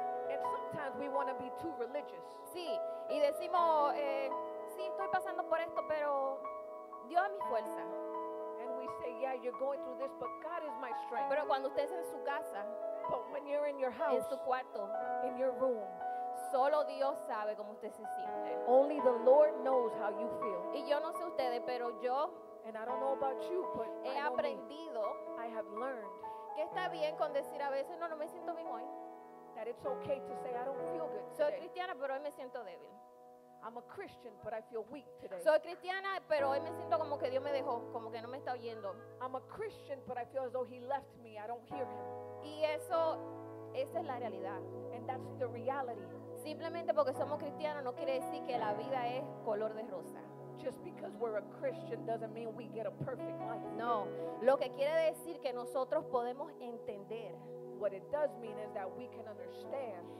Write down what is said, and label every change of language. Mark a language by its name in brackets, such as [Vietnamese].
[English] And sometimes we want to be too religious. [Spanish] Sí, y decimos, sí, estoy pasando por esto, pero Dios es mi fuerza. [English] And we say, yeah, you're going through this, but God is my strength. [Spanish] Pero cuando usted es en su casa, [English] but when you're in your house, [Spanish] en su cuarto, [English] in your room, [Spanish] solo Dios sabe cómo usted se siente. [English] Only the Lord knows how you feel. [Spanish] Y yo no sé ustedes, pero yo, [English] and I don't know about you, but [Spanish] he aprendido, [English] I have learned, [Spanish] que está bien con decir a veces, no, no me siento bien hoy. [English] That it's okay to say, I don't feel good today. [Spanish] Soy cristiana, pero hoy me siento débil. [English] I'm a Christian, but I feel weak today. [Spanish] Soy cristiana, pero hoy me siento como que Dios me dejó, como que no me está oyendo. [English] I'm a Christian, but I feel as though he left me. I don't hear him. [Spanish] Y eso, esa es la realidad. [English] And that's the reality. [Spanish] Simplemente porque somos cristianos no quiere decir que la vida es color de rosa. [English] Just because we're a Christian doesn't mean we get a perfect life. [Spanish] No. Lo que quiere decir que nosotros podemos entender. [English] What it does mean is that we can understand.